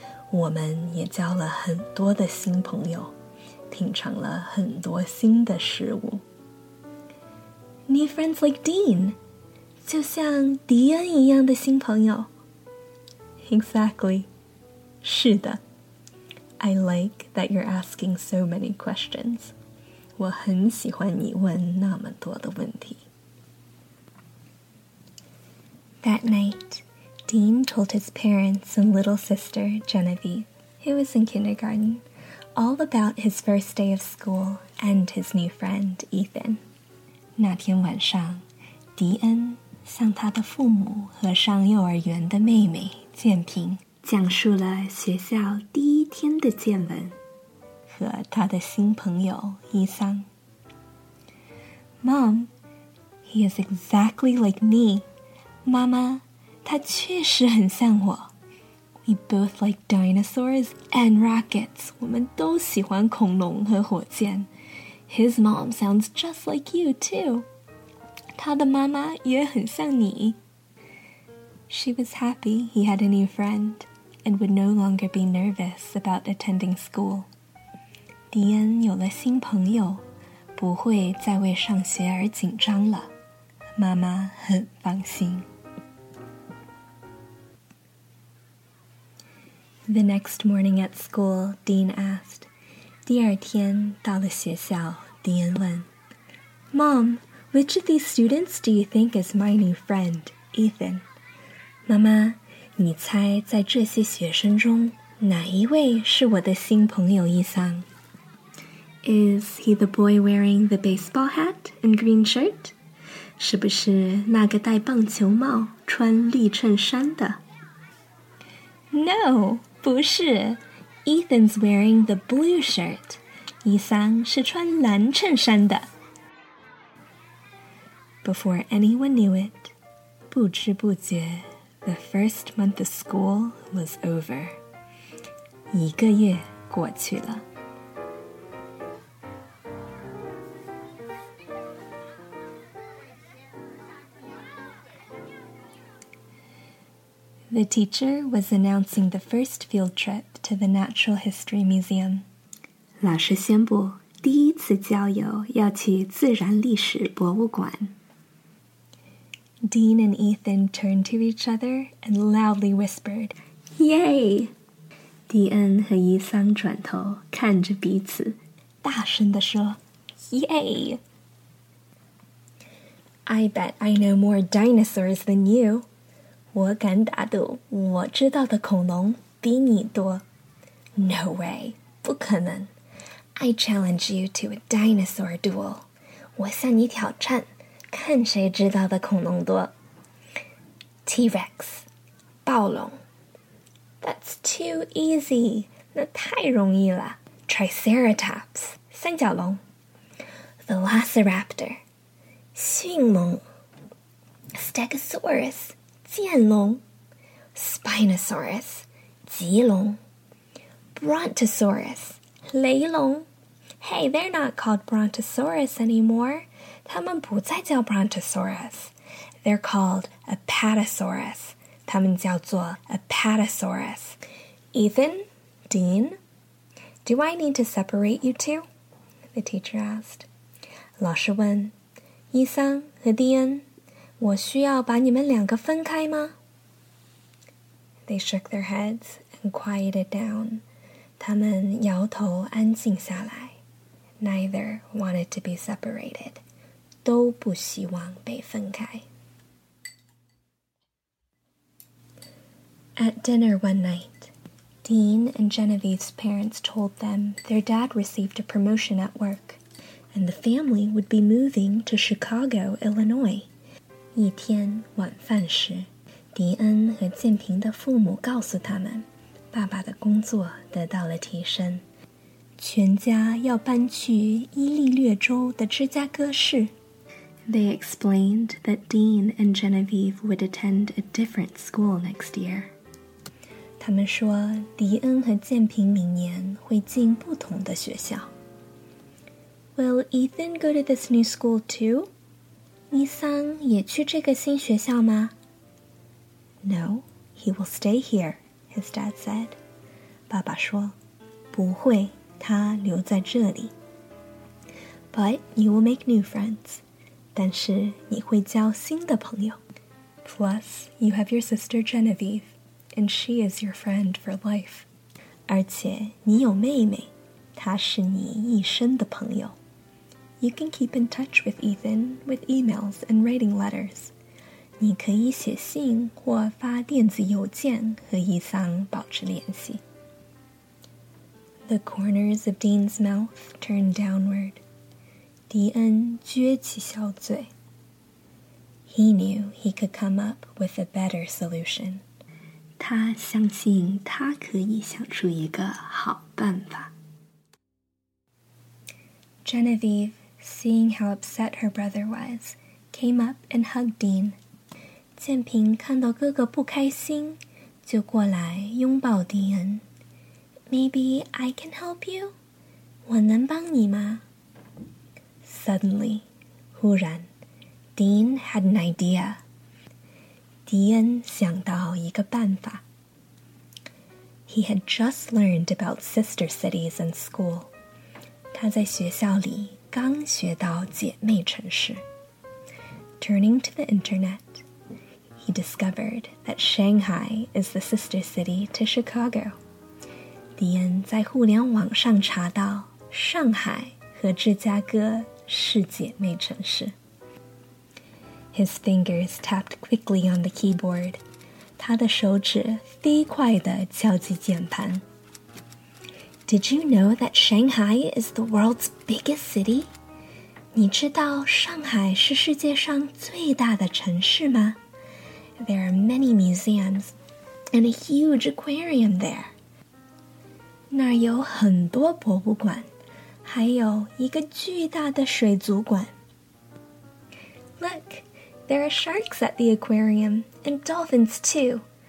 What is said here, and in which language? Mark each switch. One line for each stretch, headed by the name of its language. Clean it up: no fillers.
Chinese: 我们也交了很多的新朋友，品尝了很多新的食物。
English: New friends like Dean,
Chinese: 就像迪恩一样的新朋友。
English: Exactly.
Chinese: 是的。
English: I like that you're asking so many questions.
Chinese: 我很喜欢你问那么多的问题。
English: That night, Dean told his parents and little sister, Genevieve, who was in kindergarten, all about his first day of school and his new friend, Ethan.
Chinese: 那天晚上，迪恩向他的父母和上幼儿园的妹妹建平讲述了学校第一天的见闻和他的新朋友伊桑。
English: Mom, he is exactly like me.
Chinese: 妈妈，他确实很像我。
English: We both like dinosaurs and rockets.
Chinese: 我们都喜欢恐龙和火箭。
English: His mom sounds just like you, too.
Chinese: 她的妈妈也很像你。
English: She was happy he had a new friend and would no longer be nervous about attending school.
Chinese: 迪恩有了新朋友，不会再为上学而紧张了。妈妈很放心。
English: The next morning at school, Dean asked,
Chinese: 第二天到了学校，迪恩问
English: Mom, which of these students do you think is my new friend, Ethan?
Chinese: 妈妈，你猜在这些学生中哪一位是我的新朋友伊桑？
English: Is he the boy wearing the baseball hat and green shirt?
Chinese: 是不是那个戴棒球帽穿绿衬衫的？
English: No,
Chinese: 不是。
English: Ethan's wearing the blue shirt.
Chinese: 伊桑是穿蓝衬衫的。
English: Before anyone knew it,
Chinese: 不知不觉
English: the first month of school was over.
Chinese: 一个月过去了。
English: The teacher was announcing the first field trip to the Natural History Museum.
Chinese: 老师宣布第一次郊游要去自然历史博物馆。
English: Dean and Ethan turned to each other and loudly whispered, Yay!
Chinese: 迪恩和伊桑转头看着彼此，大声地说 Yay!
English: I bet I know more dinosaurs than you.
Chinese: 我敢打赌我知道的恐龙比你多。
English: No way!
Chinese: 不可能。
English: I challenge you to a dinosaur duel.
Chinese: 我向你挑战，看谁知道的恐龙多。
English: T-Rex,
Chinese: 暴龙。
English: That's too easy.
Chinese: 那太容易了。
English: Triceratops,
Chinese: 三角龙。
English: Velociraptor,
Chinese: 迅猛。
English: Stegosaurus,
Chinese: 剑龙。
English: Spinosaurus,
Chinese: 棘龙。
English: Brontosaurus,
Chinese: 雷龙。
English: Hey, they're not called Brontosaurus anymore.
Chinese: 它们不再叫
English: Brontosaurus. They're called Apatosaurus.
Chinese: 它们叫做 Apatosaurus.
English: Ethan, Dean, do I need to separate you two? The teacher asked.
Chinese: 老师问，伊桑和迪恩，我需要把你们两个分开吗？
English: They shook their heads and quieted down.
Chinese: 他们摇头安静下来。
English: Neither wanted to be separated.
Chinese: 都不希望被分开。
English: At dinner one night, Dean and Genevieve's parents told them their dad received a promotion at work, and the family would be moving to Chicago, Illinois.
Chinese: 一天晚饭时，迪恩和建平的父母告诉他们，爸爸的工作得到了提升，全家要搬去伊利略州的芝加哥市。
English: They explained that Dean and Genevieve would attend a different school next year.
Chinese: 他们说，迪恩和建平明年会进不同的学校。
English: Will Ethan go to this new school too?
Chinese: 伊桑也去这个新学校吗？
English: No, he will stay here, his dad said.
Chinese: 爸爸说，不会，他留在这里。
English: But you will make new friends.
Chinese: 但是你会交新的朋友。
English: Plus, you have your sister Genevieve, and she is your friend for life.
Chinese: 而且你有妹妹，她是你一生的朋友。
English: You can keep in touch with Ethan with emails and writing letters.
Chinese: 你可以写信或发电子邮件和伊桑保持联系。
English: The corners of Dean's mouth turned downward.
Chinese: 迪恩撅起小嘴。
English: He knew he could come up with a better solution.
Chinese: 他相信他可以想出一个好办法。
English: Genevieve, seeing how upset her brother was, came up and hugged Dean.
Chinese: 建平看到哥哥不开心，就过来拥抱迪恩。
English: Maybe I can help you?
Chinese: 我能帮你吗？
English: Suddenly,
Chinese: 忽然，
English: Dean had an idea.
Chinese: 迪恩想到一个办法。
English: He had just learned about sister cities in school.
Chinese: 他在学校里刚学到姐妹城市。
English: Turning to the internet,He discovered that Shanghai is the sister city to Chicago.
Chinese: 迪恩在互联网上查到，上海和芝加哥是姐妹城市。
English: His fingers tapped quickly on the keyboard.
Chinese: 他的手指飞快地敲击键盘。
English: Did you know that Shanghai is the world's biggest city?
Chinese: 你知道上海是世界上最大的城市吗？
English: There are many museums and a huge aquarium there.
Chinese: 那儿有很多博物馆，还有一个巨大的水族馆。
English: Look, there are sharks at the aquarium and dolphins too.